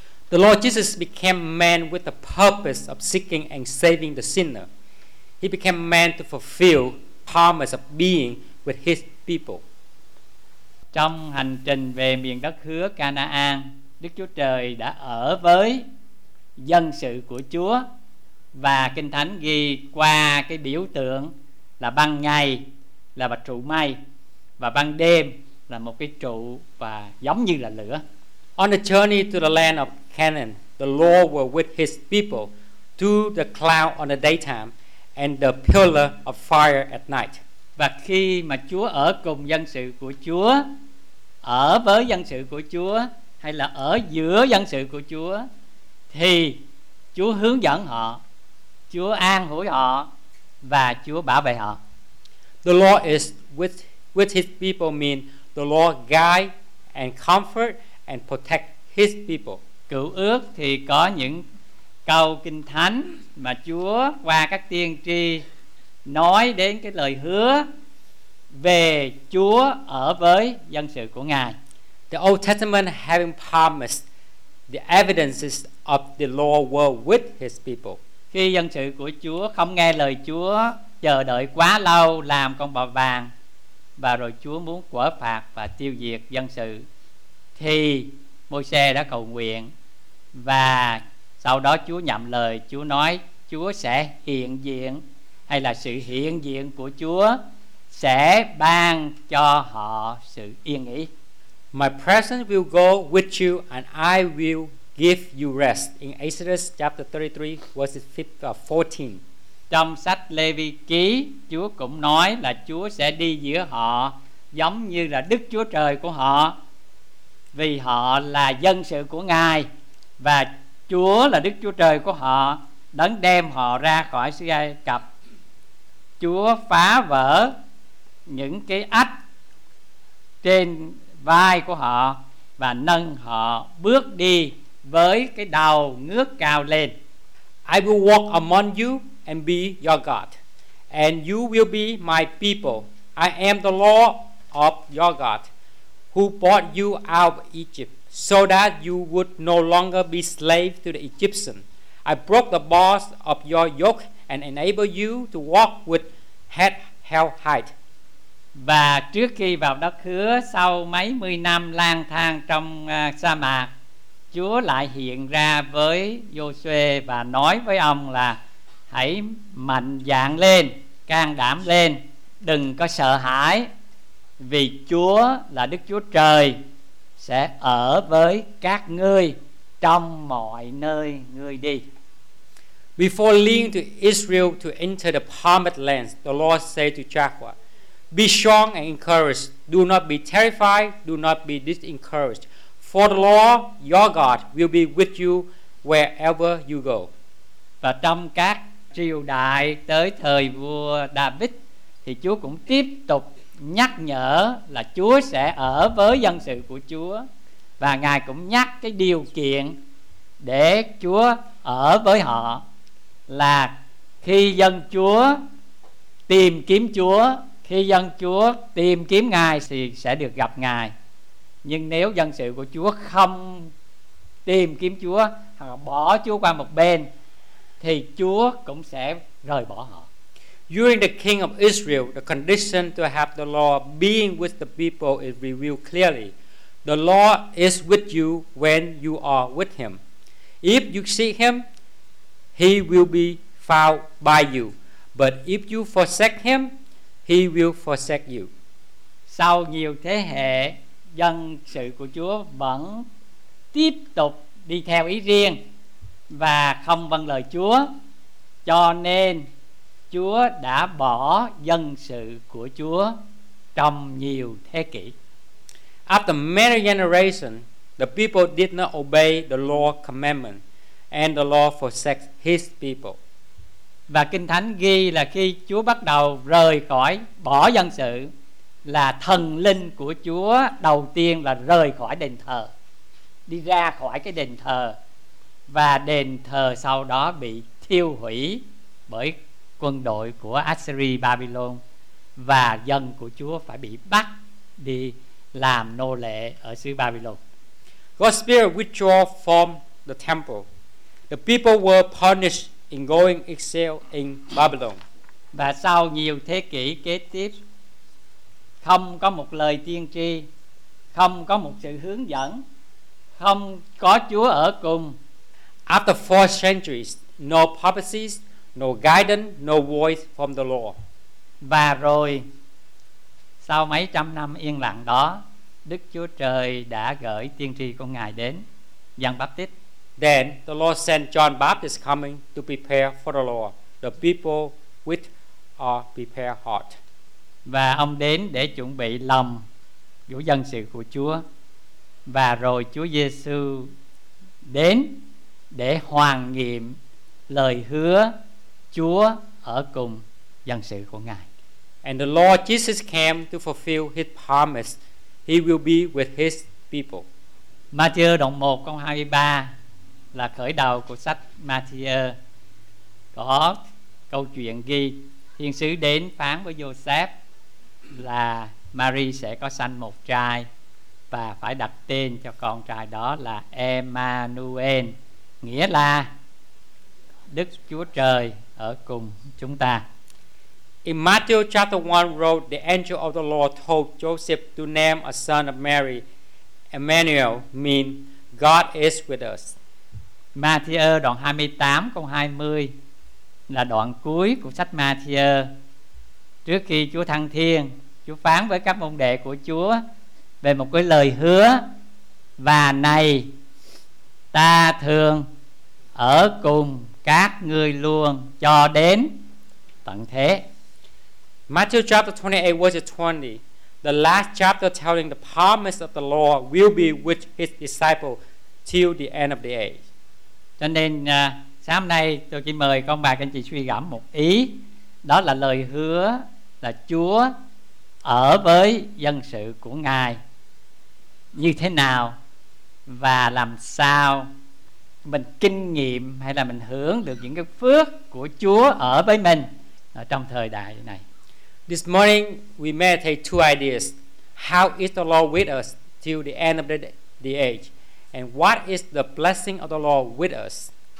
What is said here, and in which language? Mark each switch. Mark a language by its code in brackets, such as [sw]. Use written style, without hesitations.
[en] The Lord Jesus became man with the purpose of seeking and saving the sinner. He became man to fulfill promise of being with his people. [vi] Trong hành trình về miền đất hứa Canaan, Đức Chúa Trời đã ở với dân sự của Chúa, và Kinh Thánh ghi qua cái biểu tượng là ban ngày là bạch trụ mây và ban đêm là một cái trụ và giống như là lửa. [en] On the journey to the land of Canaan, the Lord was with his people through the cloud on the daytime and the pillar of fire at night. [vi] Và khi mà Chúa ở cùng dân sự của Chúa, ở với dân sự của Chúa hay là ở giữa dân sự của Chúa, thì Chúa hướng dẫn họ, Chúa an ủi họ và Chúa bảo vệ họ. [en] The Lord is with his people mean the Lord guide and comfort and protect his people. [vi] Cựu ước thì có những câu kinh thánh mà Chúa qua các tiên tri nói đến cái lời hứa về Chúa ở với dân sự của Ngài. [en] The Old Testament having promised the evidences of the Lord were with his people. [vi] Khi dân sự của Chúa không nghe lời Chúa, chờ đợi quá lâu làm con bò vàng, và rồi Chúa muốn quả phạt và tiêu diệt dân sự, thì Môi-se đã cầu nguyện, và sau đó Chúa nhậm lời, Chúa nói Chúa sẽ hiện diện, hay là sự hiện diện của Chúa sẽ ban cho họ sự yên nghỉ. [en] My presence will go with you and I will give you rest. In Exodus chapter 33 verses 14. [vi] Trong sách Lê Vi Ký, Chúa cũng nói là Chúa sẽ đi giữa họ giống như là Đức Chúa Trời của họ, vì họ là dân sự của Ngài và Chúa là Đức Chúa Trời của họ, đấng đem họ ra khỏi xứ Ai Cập. Chúa phá vỡ những cái ách trên vai của họ và nâng họ bước đi với cái đầu ngước cao lên. [en] I will walk among you and be your God, and you will be my people. I am the Lord of your God, who brought you out of Egypt so that you would no longer be slaves to the Egyptians. I broke the bars of your yoke and enabled you to walk with head held high. [vi] Và trước khi vào đất hứa, sau mấy mươi năm lang thang trong sa mạc, Chúa lại hiện ra với Giô-suê và nói với ông là hãy mạnh dạn lên, can đảm lên, đừng có sợ hãi, vì Chúa là Đức Chúa Trời sẽ ở với các ngươi trong mọi nơi ngươi đi. [en] Before leading to Israel to enter the promised land, the Lord said to Joshua, "Be strong and encouraged. Do not be terrified. Do not be discouraged. For the Lord your God will be with you wherever you go." [vi] Và trong các triều đại tới thời vua David thì Chúa cũng tiếp tục nhắc nhở là Chúa sẽ ở với dân sự của Chúa, và Ngài cũng nhắc cái điều kiện để Chúa ở với họ là khi dân Chúa tìm kiếm Chúa, khi dân Chúa tìm kiếm Ngài thì sẽ được gặp Ngài. Nhưng nếu dân sự của Chúa không tìm kiếm Chúa hoặc bỏ Chúa qua một bên thì Chúa cũng sẽ rời bỏ họ. [en] During the king of Israel, the condition to have the Lord being with the people is revealed clearly. The Lord is with you when you are with him. If you seek him, he will be found by you. But if you forsake him, he will forsake you. [vi] Sau nhiều thế hệ, dân sự của Chúa vẫn tiếp tục đi theo ý riêng và không vâng lời Chúa, cho nên Chúa đã bỏ dân sự của Chúa trong nhiều thế kỷ. [en] After many generations, the people did not obey the Lord's commandment, and the Lord forsake his people. [vi] Và Kinh Thánh ghi là khi Chúa bắt đầu rời khỏi, bỏ dân sự, là thần linh của Chúa đầu tiên là rời khỏi đền thờ, đi ra khỏi cái đền thờ, và đền thờ sau đó bị thiêu hủy bởi quân đội của Assyria Babylon, và dân của Chúa phải bị bắt đi làm nô lệ ở xứ Babylon. [en] God's spirit withdrew from the temple. The people were punished in going exile in Babylon. [vi] Và sau nhiều thế kỷ kế tiếp, không có một lời tiên tri, không có một sự hướng dẫn, không có Chúa ở cùng. [en] After four centuries, no prophecies, no guidance, no voice from the Lord. [vi] Và rồi sau mấy trăm năm yên lặng đó, Đức Chúa Trời đã gửi tiên tri của Ngài đến, Giăng Baptist. [en] Then the Lord sent John Baptist coming to prepare for the Lord, the people with a prepared heart. [vi] Và ông đến để chuẩn bị lòng của dân sự của Chúa. Và rồi Chúa Giêsu đến để hoàn nghiệm lời hứa Chúa ở cùng dân sự của Ngài. [en] And the Lord Jesus came to fulfill his promise. He will be with his people. [vi] Matthew đoạn 1 câu 23 là khởi đầu của sách Matthew. Có câu chuyện ghi thiên sứ đến phán với Joseph là Mary sẽ có sanh một trai và phải đặt tên cho con trai đó là Emmanuel, nghĩa là Đức Chúa Trời ở cùng chúng ta. [en] In Matthew chapter 1 wrote, "The angel of the Lord told Joseph to name a son of Mary, Emmanuel, mean God is with us." [vi] Matthew đoạn 28 câu 20 là đoạn cuối của sách Matthew. Trước khi Chúa thăng thiên, Chúa phán với các môn đệ của Chúa về một cái lời hứa, và này ta thường ở cùng các ngươi luôn cho đến tận thế. [en] Matthew chapter 28 verse 20, the last chapter telling the promise of the Lord will be with his disciple till the end of the age. [vi] Cho nên sáng hôm nay tôi chỉ mời con bà anh chị suy gẫm một ý, đó là lời hứa là Chúa ở với dân sự của Ngài như thế nào, và làm sao mình kinh nghiệm hay là mình hưởng được những cái phước của Chúa ở với mình ở trong thời đại này. [en] This morning we meditate two ideas: how is the Lord with us till the end of the age, and what is the blessing of the Lord with us.